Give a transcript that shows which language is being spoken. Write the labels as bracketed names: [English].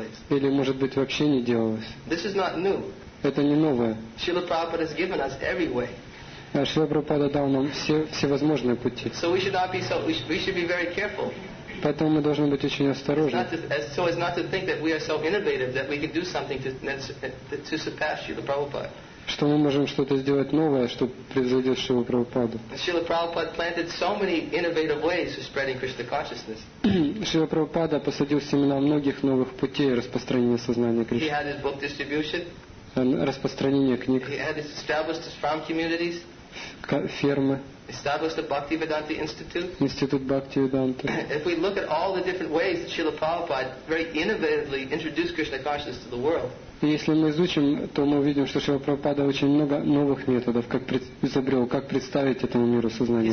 [Russian] Или, может быть, вообще не делалось. Это не новое. [English] Шрила Прабхупада has given us every way. [Russian] Шрила Прабхупада дал нам все возможные пути. [English] So we should be very careful. [Russian] Поэтому мы должны быть очень осторожны. [English] So as not to think that we are so innovative that we can do something to surpass Srila Prabhupada. [Russian] Что мы можем что-то сделать новое, чтобы превзойти Шрилу Прабхупаду. [English] Srila Prabhupada planted so many innovative ways for spreading Krishna consciousness. [Russian] Шрила Прабхупада посадил семена многих новых путей распространения сознания Кришны. [English] He had his book distribution. [Russian] Распространение книг. [English] He had established his farm communities. [Russian] Фермы. [English] Established the Bhakti Vedanta Institute. [Russian] Институт Бхакти Веданты. [English] If we look at all the different ways that Srila Prabhupada very innovatively introduced Krishna consciousness to the world. [Russian] Если мы изучим, то мы увидим, что Шрила Прабхупада очень много новых методов, как изобрел, как представить этому миру сознание